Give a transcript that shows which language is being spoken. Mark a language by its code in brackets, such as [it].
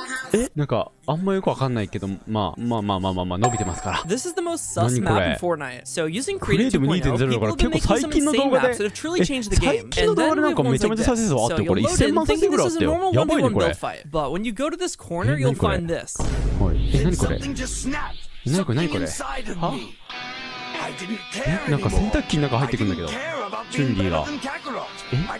[ja] え、なんかあんまよくわかんないけど、まあまあまあまあまあ、まあ、伸びてますから。 [en] This is the most sus map in Fortnite. So using Creative [ja] 2.0 だから結構最近の動画で、最近の動画でなんかめちゃめちゃ再生数あって、これ1000万再生ぐらいあってよ。やばいねこれ。 [en] But when you go to this corner, you'll find this. [ja] はい。え、何これ？何これ？何これ？は？え、なんか洗濯機の中入ってくるんだけど。チュンリーが。え？